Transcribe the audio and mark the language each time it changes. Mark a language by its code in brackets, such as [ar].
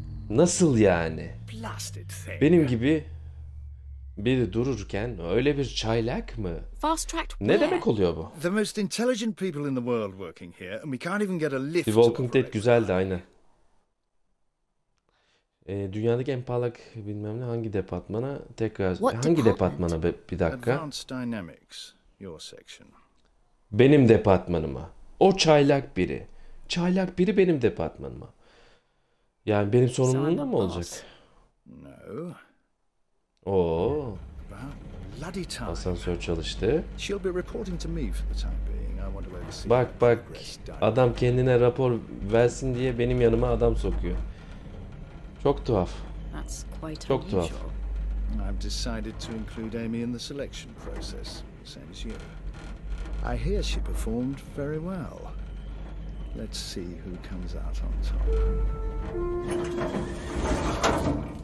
[tr] Nasıl yani? Benim gibi biri dururken öyle bir çaylak mı? Ne demek oluyor bu? [en] The most intelligent people in the world working here and we can't even get a lift. [tr] The Walking Dead güzeldi aynı. Dünyadaki en parlak bilmem ne hangi departmana tekrar hangi departmana bir dakika. [en] Advanced Dynamics, your section. [tr] Benim departmanıma. O çaylak biri. Çaylak biri benim departmanıma. Yani benim sorumluluğumda mı olacak? [en] No. [tr] Oo. Asansör çalıştı. [en] She'll be reporting to me for the time being. I want to oversee. [tr] Bak bak, adam kendine rapor versin diye benim yanıma adam sokuyor. Çok tuhaf. Çok tuhaf. I've decided to include Amy in the selection process, same as you. I hear she performed very well. Let's see who comes out on top.